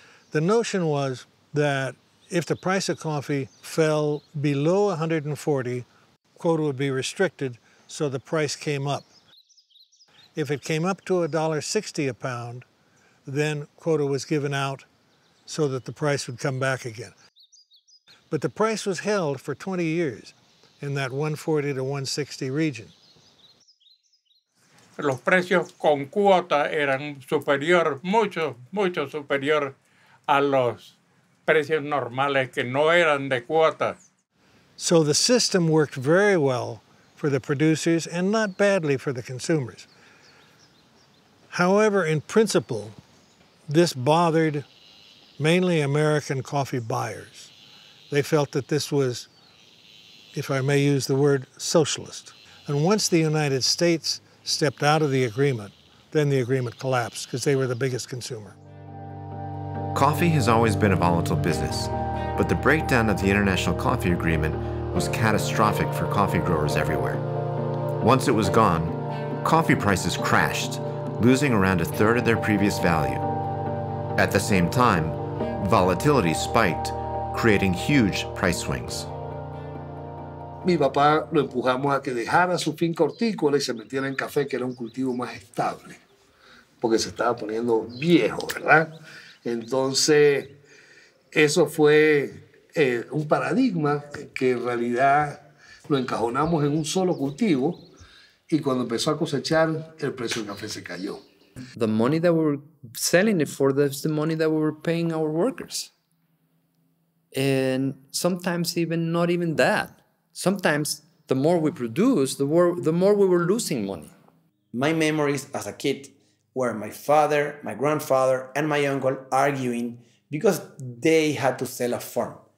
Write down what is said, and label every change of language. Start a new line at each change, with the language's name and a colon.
English: The notion was that if the price of coffee fell below 140, quota would be restricted, so the price came up. If it came up to $1.60 a pound, then quota was given out so that the price would come back again. But the price was held for 20 years in that 140 to 160 region.
Spanish: Los precios con cuota eran superior, mucho, mucho superior a los precios normales que no eran de cuota.
English: So the system worked very well for the producers and not badly for the consumers. However, in principle, this bothered mainly American coffee buyers. They felt that this was, if I may use the word, socialist. And once the United States stepped out of the agreement, then the agreement collapsed because they were the biggest consumer. Coffee has always been a volatile business, but the breakdown of the International Coffee Agreement was catastrophic for coffee growers everywhere. Once it was gone, coffee prices crashed, losing around a third of their previous value. At the same time, volatility spiked, creating huge price swings.
Spanish: Mi papá lo empujamos a que dejara su finca hortícola y se metiera en café, que era un cultivo más estable, porque se estaba poniendo viejo, ¿verdad? Entonces, eso fue un paradigma que en realidad lo encajonamos en un solo cultivo, y cuando empezó a cosechar, el precio del café se cayó.
English: The money that we're selling it for, that's the money that we're paying our workers. And sometimes even not even that. Sometimes the more we produce, the more we were losing money. My memories as a kid were my father, my grandfather, and my uncle arguing because they had to sell a farm.